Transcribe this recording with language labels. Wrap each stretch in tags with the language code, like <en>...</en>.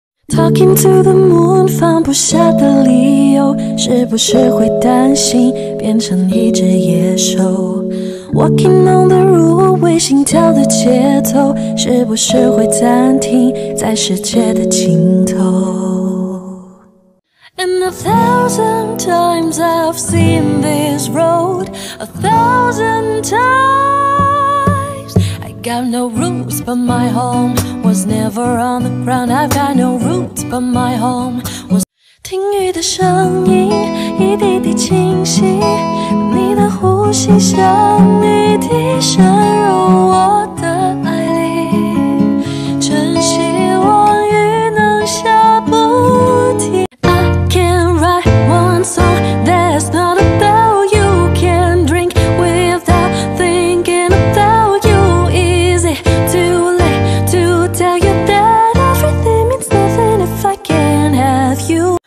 <en>Talking to the moon,</en> <zh>放不下的理由，是不是会担心变成一只野兽？</zh> <en>Walking on the roof,</en> <zh>为心跳的节奏，是不是会暂停在世界的尽头？</zh> <en>And a thousand times I've seen this road, a thousand times. I got no roots, but my home was never on the ground. I've got no roots, but my home was.</en> <zh>听雨的声音，一滴滴清晰。呼吸像一滴渗入我的爱里，真希望雨能下不停。</zh> <en>I can write one song that's not about you. Can drink without thinking about you. Is it too late to tell you that everything means nothing if I can't have you?</en>